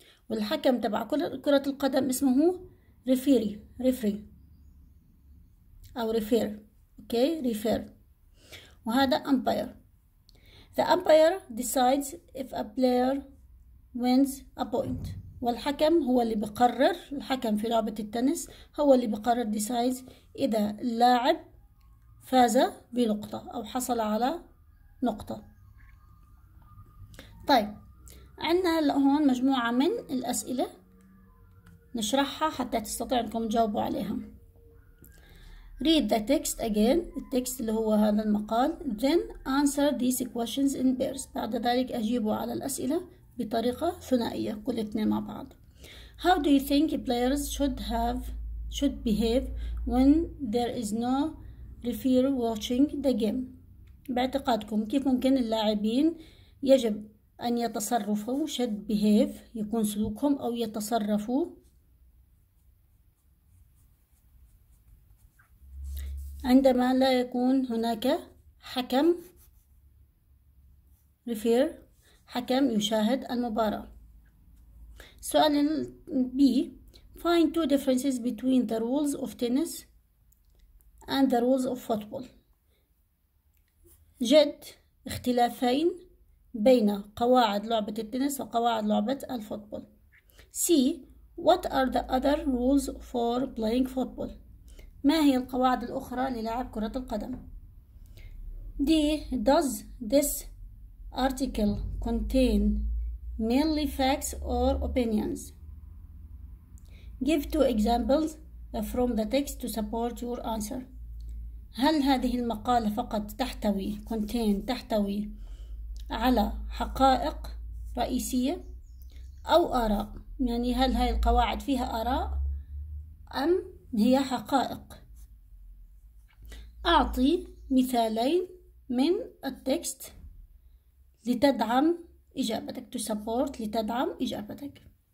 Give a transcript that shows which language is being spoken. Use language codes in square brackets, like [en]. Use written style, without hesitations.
[ar] والحكم تبع كرة القدم اسمه ريفيري، ريفري أو ريفير، أوكي ريفير، وهذا أمباير. [en] The umpire decides if a player wins a point. [ar] والحكم هو اللي بقرر، الحكم في لعبة التنس هو اللي بقرر decides إذا اللاعب فاز بنقطة أو حصل على نقطة. طيب عندنا هلا هون مجموعة من الأسئلة نشرحها حتى تستطيع أنكم تجاوبوا عليها. [en] Read the text again. [ar] التكست اللي هو هذا المقال. [en] Then answer these questions in pairs. [ar] بعد ذلك أجيبوا على الأسئلة بطريقة ثنائية كل اثنين مع بعض. [en] How do you think players should behave when there is no referee watching the game? [ar] باعتقادكم كيف ممكن اللاعبين يجب أن يتصرفوا، [en] should behave [ar] يكون سلوكهم أو يتصرفوا عندما لا يكون هناك حكم ريفير، حكم يشاهد المباراة. سؤال B. [en] Find two differences between the rules of tennis and the rules of football. [ar] جد اختلافين بين قواعد لعبة التنس وقواعد لعبة الفوتبول. [en] C. What are the other rules for playing football؟ [ar] ما هي القواعد الأخرى للعب كرة القدم؟ [en] D. Does this article contain mainly facts or opinions? Give two examples from the text to support your answer. [ar] هل هذه المقالة فقط تحتوي تحتوي على حقائق رئيسية أو آراء؟ يعني هل هذه القواعد فيها آراء أم هي حقائق؟ أعطي مثالين من التكست لتدعم إجابتك، [en] to support [ar] لتدعم إجابتك.